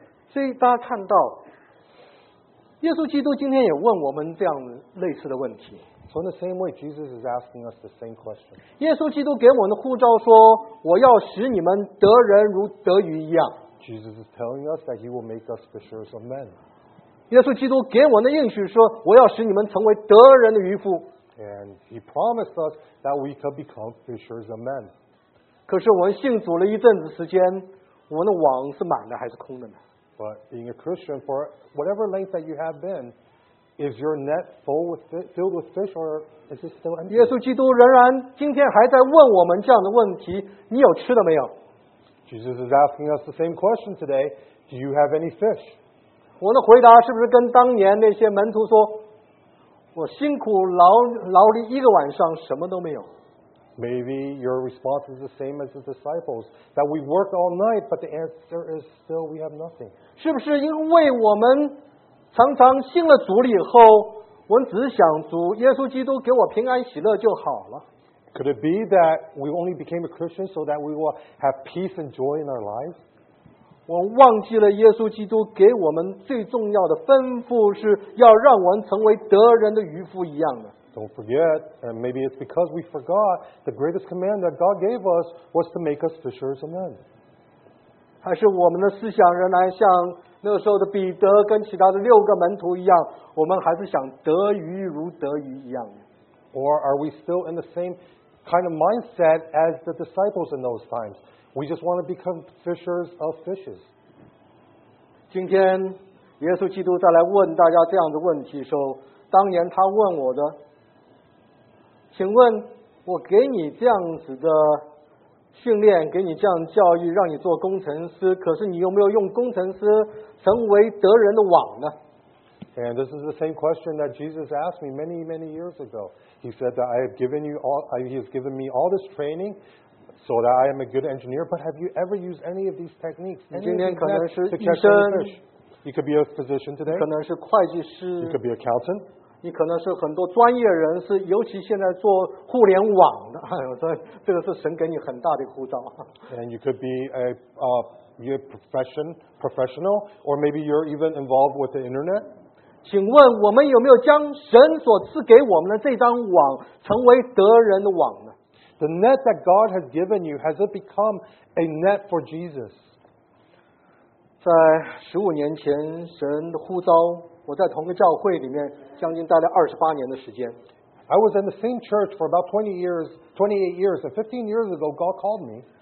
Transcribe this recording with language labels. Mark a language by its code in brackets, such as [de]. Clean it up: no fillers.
[zh] 所以大家看到耶稣基督今天也问我们这样类似的问题。 [en] So in the same way, Jesus is asking us the same question. [zh] 耶稣基督给我们的呼召说，我要使你们得人如得鱼一样。 [en] Jesus is telling us that he will make us fishers of men. [zh] 耶稣基督给我的应许说，我要使你们成为得人的渔夫。 [en] And he promised us that we could become fishers of men. [zh] 可是我们信主了一阵子时间，我们的网是满的还是空的呢？ [en] But being a Christian for whatever length that you have been, is your net filled with fish or is it still empty? [zh] 耶稣基督仍然今天还在问我们这样的问题：你有吃的没有？ [en] Jesus is asking us the same question today. Do you have any fish? [zh] 我的回答是不是跟当年那些门徒说，我辛苦劳力一个晚上什么都没有。 [en] Maybe your response is the same as the disciples, that we worked all night, but the answer is still we have nothing. [zh] 是不是因为我们常常信了主了以后，我们只想主耶稣基督给我平安喜乐就好了？ [en] Could it be that we only became a Christian so that we will have peace and joy in our lives? [zh] 我忘记了耶稣基督给我们最重要的吩咐是要让我们成为得人的渔夫一样的。 [en] Don't forget, and maybe it's because we forgot, the greatest command that God gave us was to make us fishers of men. [zh] 还是我们的思想仍然像那个时候的彼得跟其他的六个门徒一样，我们还是想得鱼如得鱼一样的。 [en] Or are we still in the same kind of mindset as the disciples in those times? We just want to become fishers of fishes. [zh] 今天耶稣基督再来问大家这样的问题说，当年他问我的，请问我给你这样子的训练，给你这样教育，让你做工程师，可是你有没有用工程师成为得人的网呢？ [en] And this is the same question that Jesus asked me many, many years ago. He said that he has given me all this training. So that I am a good engineer, but have you ever used any of these techniques? You [zh] 今天可能是医生 [en] ，You could be a physician today. [zh] 可能是会计师 [en] ，You could be an accountant. [zh] 你可能是很多专业人士，尤其现在做互联网的，所以这个是神给你很大的护照。 [en] And you could be a professional, or maybe you're even involved with the internet. [zh] 请问我们有没有将神所赐给我们的这张网成为得人的网呢？ [en] The net that God has given you, has it become a net for Jesus? [zh] 在十五年前神的呼召，我在同个教会里面将近待了28年的时间。 [en] I was in the same church for about 20 years, 28 years, and 15 years ago, God called me.